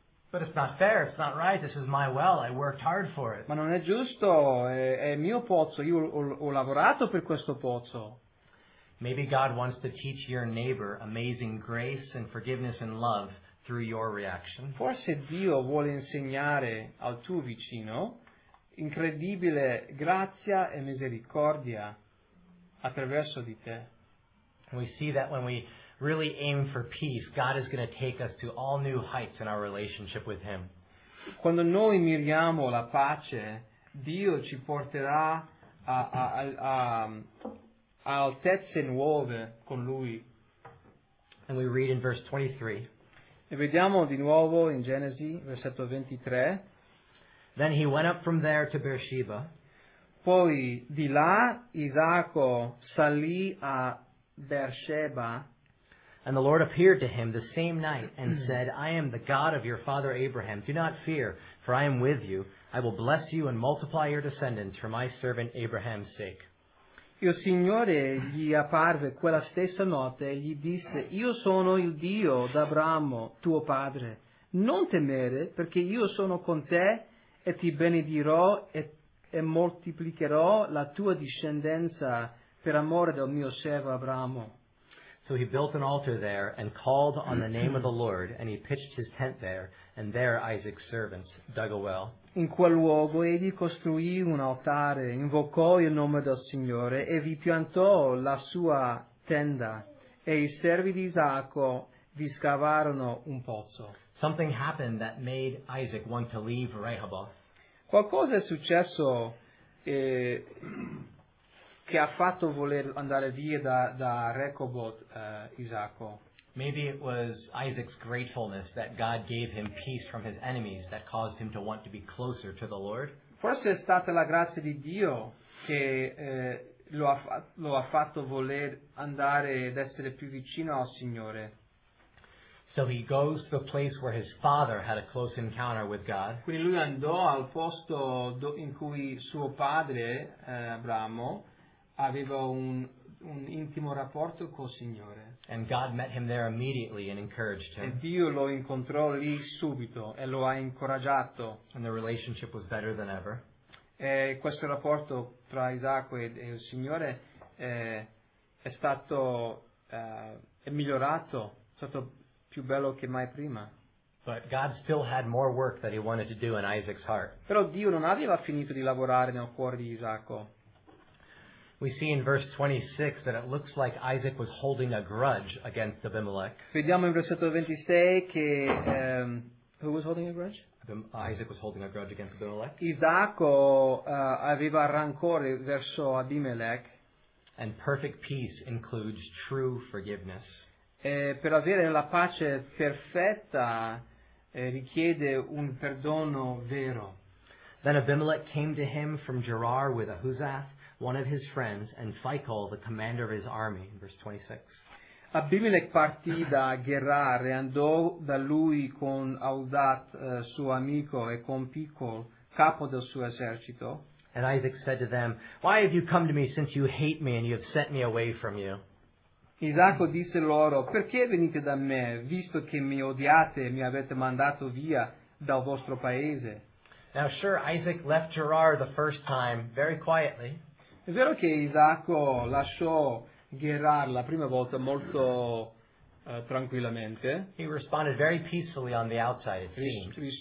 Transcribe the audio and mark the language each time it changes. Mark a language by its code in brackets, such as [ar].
[en] But it's not fair, it's not right, this is my well, I worked hard for it. [it] Ma non è giusto, è mio pozzo, io ho lavorato per questo pozzo. [en] Maybe God wants to teach your neighbor amazing grace and forgiveness and love through your reaction. [it] Forse Dio vuole insegnare al tuo vicino incredibile grazia e misericordia attraverso di te. [en] We see that when we really aim for peace, God is going to take us to all new heights in our relationship with Him. [it] Quando noi miriamo la pace, Dio ci porterà a altezze nuove con Lui. [en] And we read in verse 23. [it] E vediamo di nuovo in Genesi, versetto 23. [en] Then he went up from there to Beersheba. [it] Poi di là Isacco salì a Beersheba. [en] And the Lord appeared to him the same night and said, I am the God of your father Abraham. Do not fear, for I am with you. I will bless you and multiply your descendants for my servant Abraham's sake. [it] Il Signore gli apparve quella stessa notte e gli disse, io sono il Dio d'Abramo, tuo padre. Non temere, perché io sono con te e ti benedirò e moltiplicherò la tua discendenza per amore del mio servo Abramo. [en] So he built an altar there and called on the name of the Lord, and he pitched his tent there, and there Isaac's servants dug a well. [it] In quel luogo egli costruì un altare, invocò il nome del Signore, e vi piantò la sua tenda, e i servi di Isacco vi scavarono un pozzo. [en] Something happened that made Isaac want to leave Rehoboth. [it] Qualcosa è successo che ha fatto voler andare via da Rehoboth, Isacco. [en] Maybe it was Isaac's gratefulness that God gave him peace from his enemies that caused him to want to be closer to the Lord. [it] Forse è stata la grazia di Dio che lo ha fatto voler andare ed essere più vicino al Signore. [en] So he goes to the place where his father had a close encounter with God. [it] Quindi lui andò al posto in cui suo padre, Abramo, aveva un intimo rapporto col Signore. [en] And God met him there immediately and encouraged him. [it] E Dio lo incontrò lì subito e lo ha incoraggiato. [en] And the relationship was better than ever. [it] E questo rapporto tra Isacco e il Signore è stato migliorato. Più bello che mai prima. [en] But God still had more work that he wanted to do in Isaac's heart. [it] Però Dio non aveva finito di lavorare nel cuore di Isacco. [en] We see in verse 26 that it looks like Isaac was holding a grudge against Abimelech. [it] Vediamo in versetto 26 che [en] who was holding a grudge? Isaac was holding a grudge against Abimelech. [it] Isacco aveva rancore verso Abimelech. [en] And perfect peace includes true forgiveness. [it] Per avere la pace perfetta richiede un perdono vero. [en] Then Abimelech came to him from Gerar with Ahuzath, one of his friends, and Phicol, the commander of his army, in verse 26. [it] Abimelech partì da Gerar e andò da lui con Ahuzath, suo amico, e con Phicol, capo del suo esercito. [en] And Isaac said to them, why have you come to me since you hate me and you have sent me away from you? [it] Isacco disse loro, perché venite da me, visto che mi odiate e mi avete mandato via dal vostro paese? [en] Now, sure, Isaac left Gerar the first time very quietly. [it] È vero che Isacco lasciò Gerar la prima volta molto tranquillamente. [en] He responded very peacefully on the outside, it seemed.